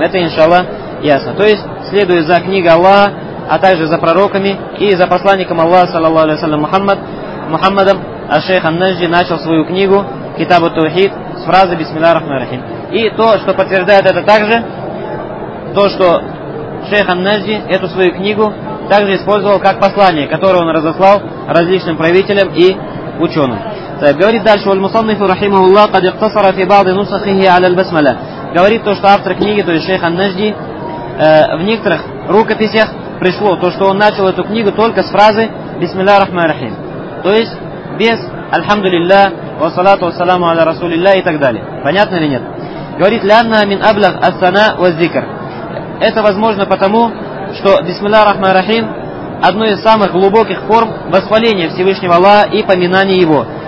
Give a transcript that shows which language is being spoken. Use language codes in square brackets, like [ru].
[ru] Это, иншаллах, ясно. То есть, следуя за книгой Аллаха, а также за пророками и за посланником Аллаха, саллаллаху алейхи ва саллям, Мухаммадом, аш-Шейх ан-Наджди начал свою книгу «Китабу Таухид» с фразы «Бисмилля рахмана рахим». И то, что подтверждает это также, то, что Шейх ан-Наджди эту свою книгу также использовал как послание, которое он разослал различным правителям и ученым. Говорит дальше, [ar] والمصنف رحمه الله قد اقتصر في بعض نسخه على البسملة. [ru] Говорит то, что автор книги, то есть шейх ан-Наджди, в некоторых рукописях пришло то, что он начал эту книгу только с фразы бисмилля рахмана рахим. То есть без альхамду лилля, вассалату вассаляму аля расулилля и так далее. Понятно или нет? Говорит, [ar] лянна мин аблах ас-сана ваз-зикр. [ru] Это возможно потому, что бисмилля рахмана рахим одно из самых глубоких форм восхваления Всевышнего Аллаха и поминания его.